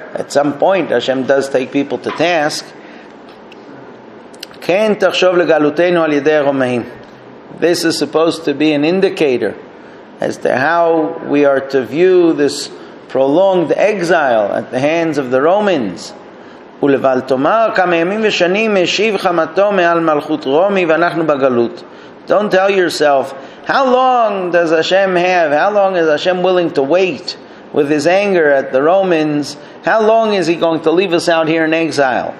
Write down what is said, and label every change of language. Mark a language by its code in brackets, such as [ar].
[en] At some point, Hashem does take people to task. [he] Ken tachshov le'galuteinu al yedei ha'romeim. [en] This is supposed to be an indicator as to how we are to view this prolonged exile at the hands of the Romans. [he] ולבל תאמר כמה ימים ושנים השיב חמתו מעל מלכות רומי ואנחנו בגלות. [en] Don't tell yourself, how long does Hashem have? How long is Hashem willing to wait with His anger at the Romans? How long is He going to leave us out here in exile?